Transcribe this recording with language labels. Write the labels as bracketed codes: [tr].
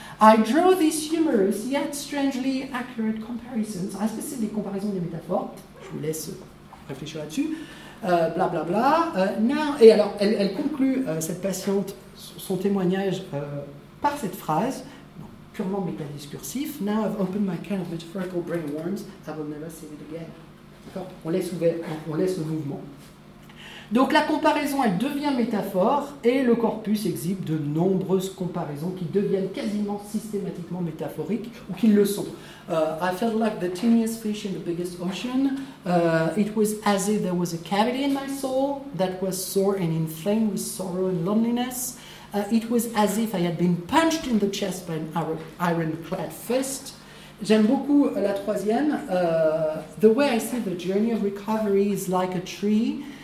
[en] I draw these humorous yet strangely accurate comparisons. [fr] Alors, est-ce que c'est des comparaisons des métaphores? Je vous laisse réfléchir là-dessus. Blablabla. Et alors, elle conclut cette patiente, son témoignage, par cette phrase, donc, purement métadiscursif. [en] Now I've opened my can of metaphorical brain worms, I will never see it again. D'accord? [fr] On laisse ouvert, on laisse le mouvement. Donc la comparaison, elle devient métaphore et le corpus exhibe de nombreuses comparaisons qui deviennent quasiment systématiquement métaphoriques ou qui le sont. [en] I felt like the tiniest fish in the biggest ocean. It was as if there was a cavity in my soul that was sore and inflamed with sorrow and loneliness. It was as if I had been punched in the chest by an ironclad fist. [fr] J'aime beaucoup la troisième. [en] The way I see the journey of recovery is like a tree.